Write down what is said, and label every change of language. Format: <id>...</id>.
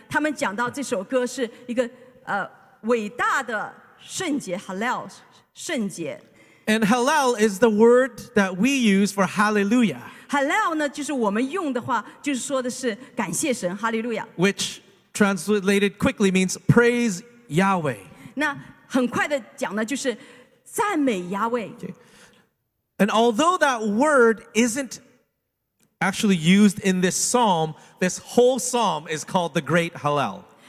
<zh>在这个传统的里面呢，他们讲到这首歌是一个 伟大的圣洁 Hallel 圣洁。</zh> <en>And Hallel is the word that we use for Hallelujah.</en> <zh>Hallel 呢，就是我们用的话，就是说的是感谢神 Hallelujah.</zh> <en>Which translated quickly means praise Yahweh.</en> <zh>那很快的讲呢，就是赞美Yahweh.</zh> <en>Okay. And although that word isn't actually used in this psalm, this whole psalm is called the Great Hallel.</en>